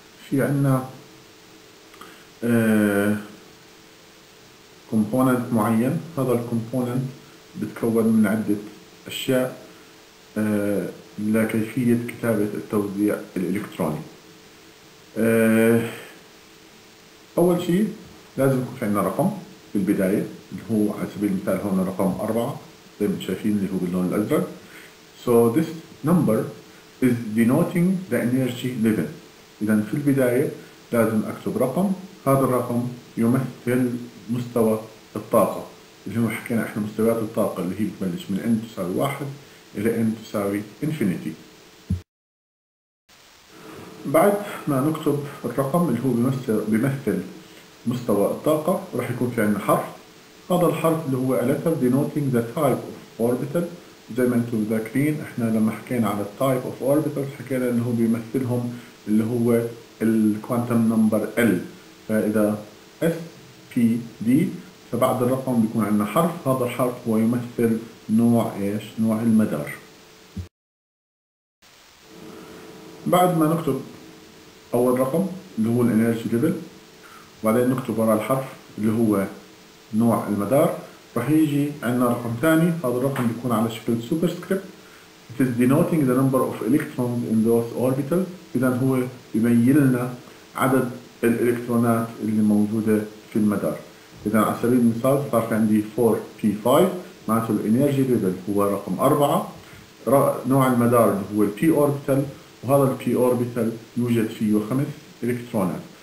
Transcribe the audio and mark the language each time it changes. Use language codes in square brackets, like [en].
[ar] في عندنا كومبوننت معين، هذا الكومبوننت بتكون من عدة أشياء لكيفية كتابة التوزيع الإلكتروني. أول شيء لازم يكون في عندنا رقم في البداية، اللي هو على سبيل المثال هون رقم 4 زي ما شايفين، اللي هو باللون الأزرق. [en] So this number is denoting the energy level. [ar] إذا في البداية لازم أكتب رقم، هذا الرقم يمثل مستوى الطاقة، اللي هو حكينا إحنا مستويات الطاقة اللي هي بتبلش من N تساوي 1 إلى N تساوي infinity. بعد ما نكتب الرقم اللي هو بيمثل مستوى الطاقة، راح يكون في عندنا حرف. هذا الحرف اللي هو [en] a letter denoting the type of orbital. [ar] زي ما انتم ذاكرين احنا لما حكينا على ال [en] type of orbital [ar] حكينا انه هو بيمثلهم اللي هو ال [en] quantum number L. [ar] فإذا S P D فبعد الرقم بيكون عندنا حرف، هذا الحرف هو يمثل نوع ايش؟ نوع المدار. بعد ما نكتب اول رقم اللي هو الانرجي ليفل، وبعدين نكتب وراء الحرف اللي هو نوع المدار، راح يجي عندنا رقم ثاني. هذا الرقم بيكون على شكل سوبر سكريبت. [en] It is denoting the number of electrons in those orbital. [ar] اذا هو يبين لنا عدد الالكترونات اللي موجوده في المدار. اذا على سبيل المثال صار في عندي 4p5، معناته الانرجي ليفل هو رقم 4، نوع المدار اللي هو البي اوربيتال، وهذا البي اوربيتال يوجد فيه 5 الكترونات.